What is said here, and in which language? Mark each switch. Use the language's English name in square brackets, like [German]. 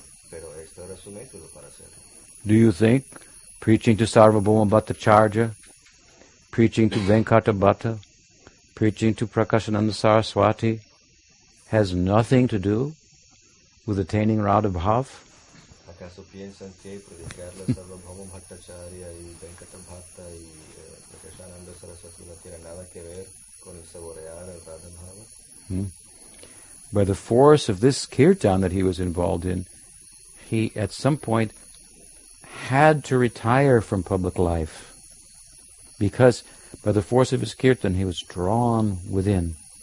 [Spanish] Pero esto era su método para hacerlo. [English] Do you think preaching to Sarvabhauma Bhattacharya, preaching to Venkata Bhatta, preaching to Prakashananda Saraswati has nothing to do with attaining Radha bhava? [Spanish] ¿Acaso piensan que predicarle a Sarvabhauma Bhattacharya y Venkata Bhatta y Prakashananda Saraswati no tiene nada que ver con el saborear el Radha Bhava? [English] By the force of this kirtan that he was involved in, he at some point had to retire from public life, because by the force of his kirtan he was drawn within.